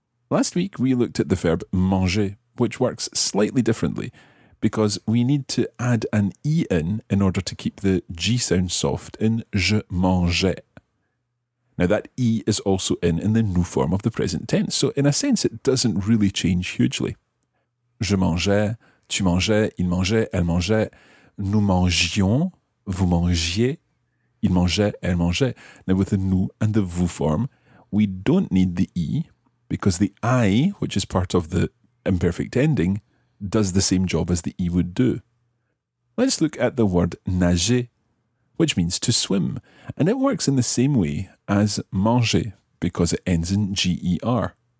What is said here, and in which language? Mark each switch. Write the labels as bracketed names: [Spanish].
[English] Last week we looked at the verb manger, which works slightly differently because we need to add an E in order to keep the G sound soft in [French] je mangeais. [English] Now that E is also in the nous form of the present tense, so in a sense it doesn't really change hugely. [French] Je mangeais, tu mangeais, il mangeait, elle mangeait, nous mangions, vous mangiez, il mangeait, elle mangeait. [English] Now with the nous and the vous form, we don't need the E, because the I, which is part of the imperfect ending, does the same job as the E would do. Let's look at the word nager, which means to swim. And it works in the same way as manger, because it ends in G-E-R.